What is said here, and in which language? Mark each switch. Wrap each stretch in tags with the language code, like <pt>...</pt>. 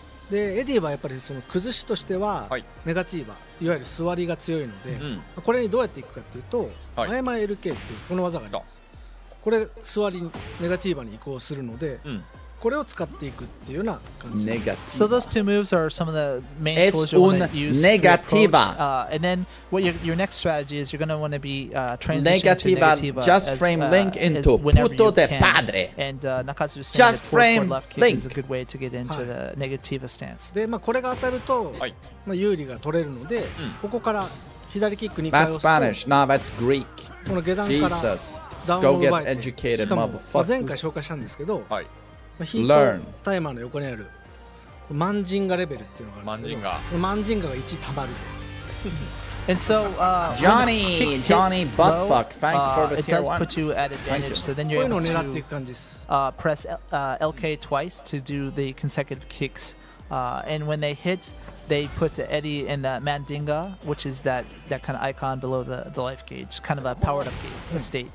<ja>でエディはやっぱりその崩しとしてはネガティーバ、はい、いわゆる座りが強いので、うん、これにどうやっていくかというと、はい、前々 LK っていうこの技があります。これ座りにネガティーバに移行するので、うん、これを使っていくっていうような感じ。ネガティーバ。</ja> <en>So those two moves are some of the main tools you want to use.</en> <ja>ネガティーバ。</ja> <en>And then what your next strategy is, you're going to want to be transitioning to ネガティーバ。 Just frame link into puto de padre. And Nakatsu was saying that forward left kick is a good way to get into the negativa stance.</en> <ja>で、まあこれが当たると、まあ有利が取れるので、ここから左キック2回押すと。</ja> <en>That's Spanish. No, that's Greek.</en> <ja>この下段から。</ja> <en>Jesus. Go get educated, motherfucker.</en> <ja>前回紹介したんですけど。はい。</ja> <en>Learn.</en> <ja>タイマーの横にあるマンジンガレベルっていうのがあるんですけど、マンジンガが1溜まると。</ja> <en>And so, Johnny, Johnny Buttfuck, thanks for the tier one. It does put you at advantage, so then you're able to press LK twice to do the consecutive kicks. And when they hit, they put Eddy in the Mandinga, which is that, that kind of icon below the life gauge, kind of a powered up gauge, state.</en>